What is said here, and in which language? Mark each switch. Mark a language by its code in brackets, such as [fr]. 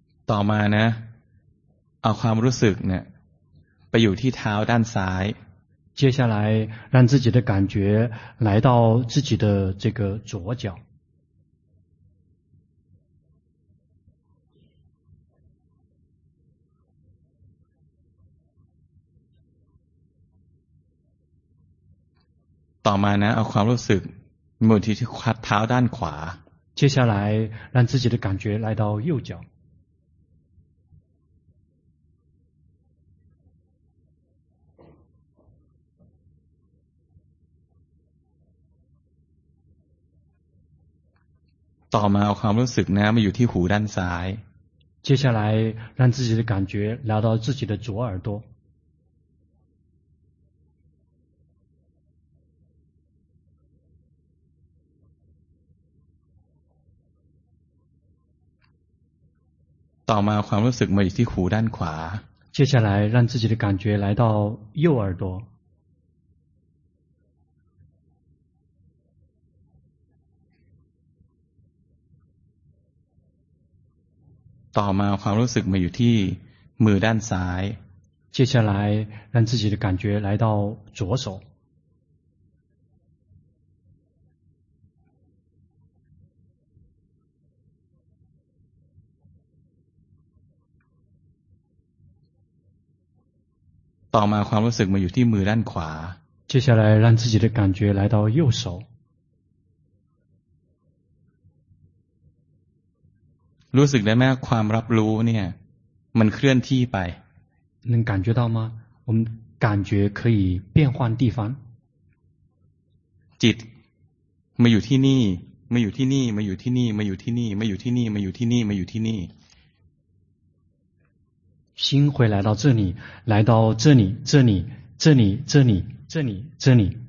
[th] ต่อมานะเอาความรู้สึกเนี่ยไปอยู่ที่เท้าด้านซ้าย [zh] 接下来让自己的感觉来到自己的这个左脚 [th] ต่อมานะเอาความรู้สึกมือที่ขัดเท้าด้านขวา [zh] 接下来让自己的感觉来到右脚 [th] ต่อมาเอาความรู้สึกนะมาอยู่ที่หูด้านซ้าย [zh] 接下来让自己的感觉来到自己的左耳朵 [th] ต่อมาความรู้สึกมาอยู่ที่หูด้านขวา [zh] 接下来让自己的感觉来到右耳朵 [th] ต่อมาความรู้สึกมาอยู่ที่มือด้านซ้าย [zh] 接下来让自己的感觉来到左手 [th] ต่อมาความรู้สึกมาอยู่ที่มือด้านขวา [zh] 接下来让自己的感觉来到右手 [th] รู้สึกได้ไหมความรับรู้เนี่ยมันเคลื่อนที่ไป [zh] 能感觉到吗我们感觉可以变换地方 [th] จิตมาอยู่ที่นี่มาอยู่ที่นี่มาอยู่ที่นี่มาอยู่ที่นี่มาอยู่ที่นี่มาอยู่ที่นี่มาอยู่ที่นี่ [zh] 心会来到这里，来到这里，这里，这里，这里，这里，这里。